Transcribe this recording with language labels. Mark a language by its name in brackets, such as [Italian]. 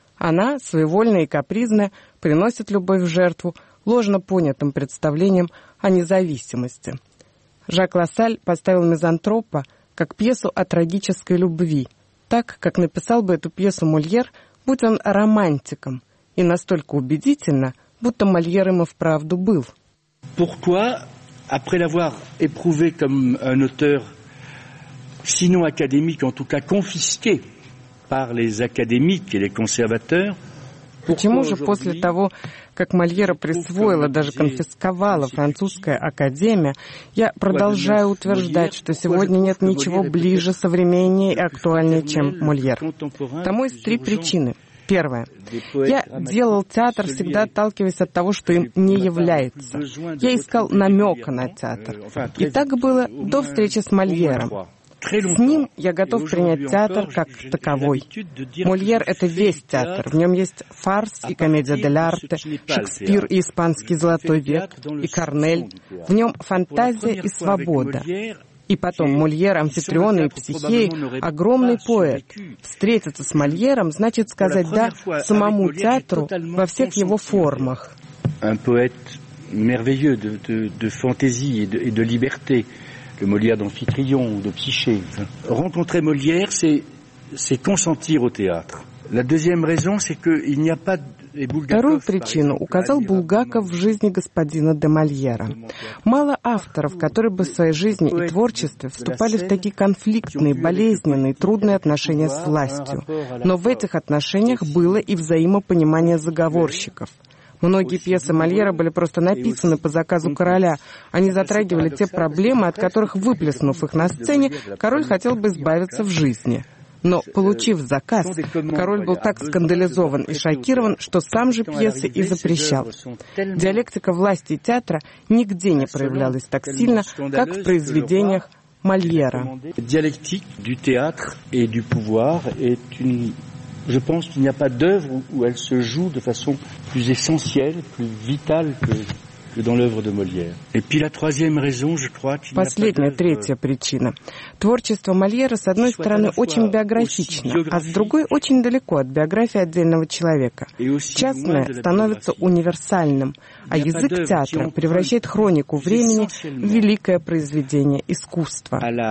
[Russian] Она, своевольная и капризная, приносит любовь в жертву ложно понятым представлениям о независимости. Жак Лассаль поставил «Мизантропа» как пьесу о трагической любви, так, как написал бы эту пьесу Мольер, будь он романтиком, и настолько убедительно, будто Мольер им и вправду был. [French] Pourquoi, après l'avoir éprouvé comme un auteur, sinon académique, en tout cas confisqué par les académiques et les conservateurs, [Russian] почему же после того, как Мольера присвоила, даже конфисковала французская академия, я продолжаю утверждать, что сегодня нет ничего ближе, современнее и актуальнее, чем Мольер? Тому есть три причины. Первое. Я делал театр, всегда отталкиваясь от того, что им не является. Я искал намека на театр. И так было до встречи с Мольером. С ним я готов принять театр как таковой. Мольер — это весь театр. В нем есть фарс и комедия дель арте, Шекспир и испанский «Золотой век» и Корнель. В нем фантазия и свобода. И потом Мольер, амфитрион и психей, огромный поэт. Встретиться с Мольером — значит сказать «да» самому театру во всех его формах. [French] Un poète merveilleux de fantaisie et de liberté. Le Molière d'Amphitryon ou de Psyché. Rencontrer Molière, c'est consentir au théâtre. La deuxième raison, c'est que il n'y a pas de Bulgakov. [Russian] Вторую причину указал Булгаков в жизни господина де Мольера. Мало авторов, которые бы в своей жизни и творчестве вступали в такие конфликтные, болезненные, трудные отношения с властью. Но в этих отношениях было и взаимопонимание заговорщиков. Многие пьесы Мольера были просто написаны по заказу короля. Они затрагивали те проблемы, от которых, выплеснув их на сцене, король хотел бы избавиться в жизни. Но, получив заказ, король был так скандализован и шокирован, что сам же пьесы и запрещал. Диалектика власти и театра нигде не проявлялась так сильно, как в произведениях Мольера. Диалектика театра и власти [French] Je pense qu'il n'y a pas d'œuvre où elle se joue de façon plus essentielle, plus vitale que dans l'œuvre de Molière. Et puis la troisième raison, je crois qu'il n'y a pas d'œuvre. [Russian] Последняя, третья причина. Творчество Мольера, с одной стороны, очень биографично, а с другой, очень далеко от биографии отдельного человека. Частное становится универсальным, а язык театра превращает хронику времени в великое произведение искусства.